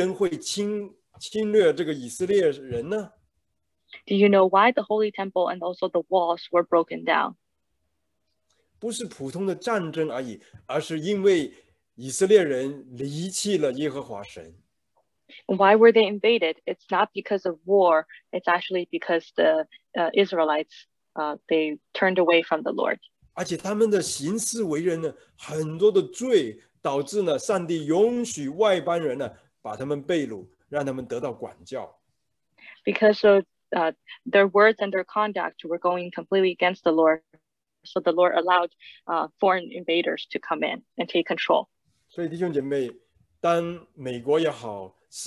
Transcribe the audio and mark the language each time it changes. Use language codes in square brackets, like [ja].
[zh] 那大家知道为什么圣墙会被毁，为什么圣殿又被毁，为什么敌人会侵略这个以色列人呢？ [en] Do you know why the holy temple and also the walls were broken down? [zh] 不是普通的战争而已，而是因为以色列人离弃了耶和华神。 [en] Why were they invaded? It's not because of war. It's actually because the Israelites, they turned away from the Lord. [zh] 而且他们的行事为人呢，很多的罪导致呢，上帝允许外邦人呢，把他们被掳，让他们得到管教。 [en] Because of their words and their conduct were going completely against the Lord, so the Lord allowed foreign invaders to come in and take control. [zh] 所以弟兄姐妹，当美国也好。